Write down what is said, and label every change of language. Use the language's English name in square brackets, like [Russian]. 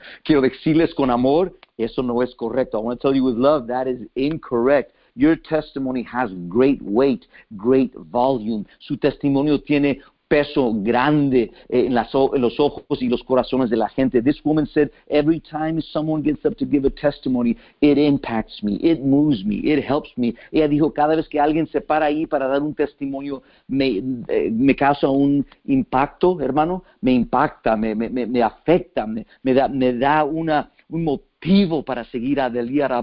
[Spanish] Quiero decirles con amor, eso no es correcto. [English] I want to tell you with love, that is incorrect. Your testimony has great weight, great volume. [Spanish] Su testimonio tiene peso grande en los ojos y los corazones de la gente. [English] This woman said, every time someone gets up to give a testimony, it impacts me, it moves me, it helps me. [Spanish] Ella dijo, cada vez que alguien se para ahí para dar un testimonio, me causa un impacto, hermano, me impacta, me afecta, me da un motivo para seguir adelante.